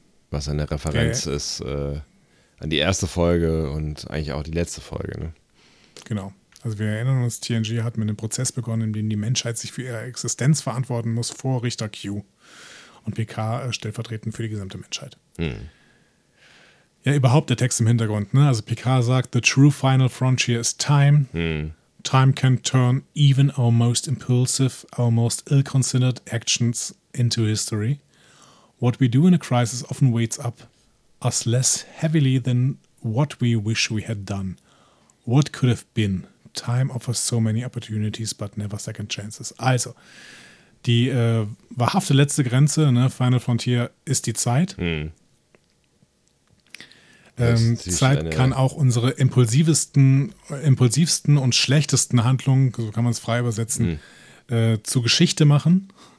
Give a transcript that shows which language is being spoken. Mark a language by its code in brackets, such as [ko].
[de] Was eine Referenz ist an die erste Folge und eigentlich auch die letzte Folge. Ne? Genau. Also wir erinnern uns, TNG hat mit einem Prozess begonnen, in dem die Menschheit sich für ihre Existenz verantworten muss vor Richter Q und PK stellvertretend für die gesamte Menschheit. Ja, überhaupt der Text im Hintergrund. [en] Ne? Also PK sagt, the true final frontier is time. Time can turn even our most impulsive, our most ill-considered actions into history. What we do in a crisis often weighs up us less heavily than what we wish we had done. What could have been? Time offers so many opportunities, but never second chances. [de] Also, die wahrhafte letzte Grenze, ne, Final Frontier, ist die Zeit. Zeit kann auch unsere impulsivsten und schlechtesten Handlungen, so kann man es frei übersetzen, zu Geschichte machen.